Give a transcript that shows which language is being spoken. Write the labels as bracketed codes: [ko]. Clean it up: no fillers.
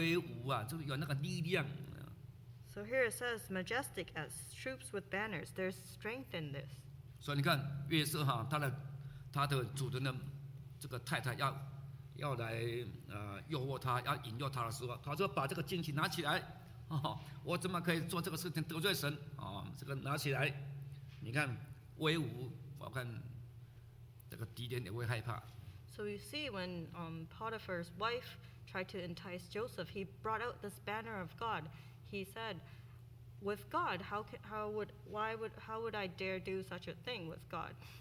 [zh] 我的骄傲啊，你是美丽如德山，秀美如耶路撒冷，威武啊！你看那威武如展开旌旗的军队，威武啊，就是有那个力量。 [en] So here it says, majestic as troops with banners. There's strength in this. [zh] 所以你看，约瑟哈，他的主人的这个太太要来诱惑他，要引诱他的时候，他说把这个旌旗拿起来，哦，我怎么可以做这个事情得罪神啊？这个拿起来，你看。威武，我看这个敌人也会害怕。 [en] So you see, when Potiphar's wife tried to entice Joseph, he brought out this banner of God. He said, "With God, how would I dare do such a thing with God?"